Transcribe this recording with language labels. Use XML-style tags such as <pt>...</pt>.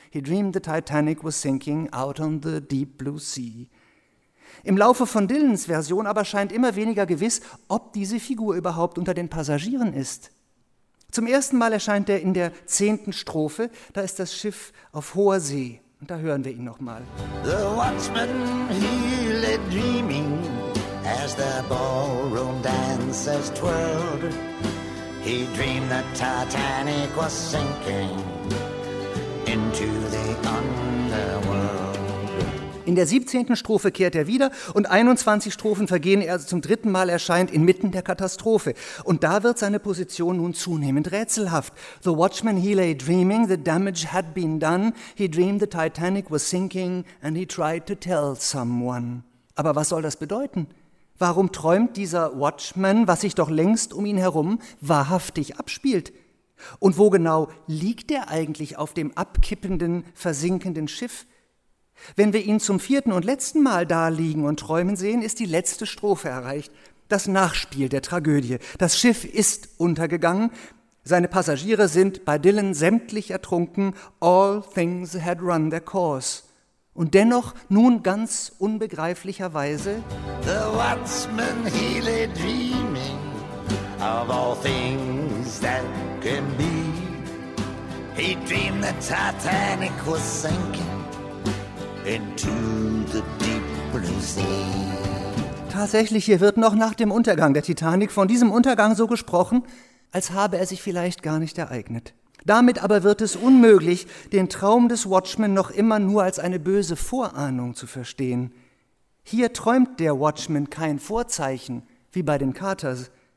<en>He dreamed the Titanic was sinking out on the deep blue sea.</en> <de>Im Laufe von Dylans Version aber scheint immer weniger gewiss, ob diese Figur überhaupt unter den Passagieren ist. Zum ersten Mal erscheint er in der 10. Strophe, da ist das Schiff auf hoher See. Und da hören wir ihn nochmal.</de> <en>The watchman, he lay dreaming, as the ballroom dancers twirled. He dreamed the Titanic was sinking into the underworld.</en> <de>In der 17. Strophe kehrt er wieder und 21 Strophen vergehen, er zum dritten Mal erscheint inmitten der Katastrophe. Und da wird seine Position nun zunehmend rätselhaft.</de> <en>The watchman he lay dreaming, the damage had been done. He dreamed the Titanic was sinking and he tried to tell someone.</en> <de>Aber was soll das bedeuten? Warum träumt dieser Watchman, was sich doch längst um ihn herum wahrhaftig abspielt? Und wo genau liegt er eigentlich auf dem abkippenden, versinkenden Schiff? Wenn wir ihn zum vierten und letzten Mal da liegen und träumen sehen, ist die letzte Strophe erreicht. Das Nachspiel der Tragödie. Das Schiff ist untergegangen. Seine Passagiere sind bei Dylan sämtlich ertrunken.</de> <en>All things had run their course.</en> <de>Und dennoch, nun ganz unbegreiflicherweise.</de> <en>The watchman, he lay dreaming of all things that can be. He dreamed the Titanic was sinking into the deep blue sea.</en> <de>Tatsächlich, hier wird noch nach dem Untergang der Titanic von diesem Untergang so gesprochen, als habe er sich vielleicht gar nicht ereignet. Damit aber wird es unmöglich, den Traum des Watchmen noch immer nur als eine böse Vorahnung zu verstehen. Hier träumt der Watchmen kein Vorzeichen, wie bei den Carters.</de>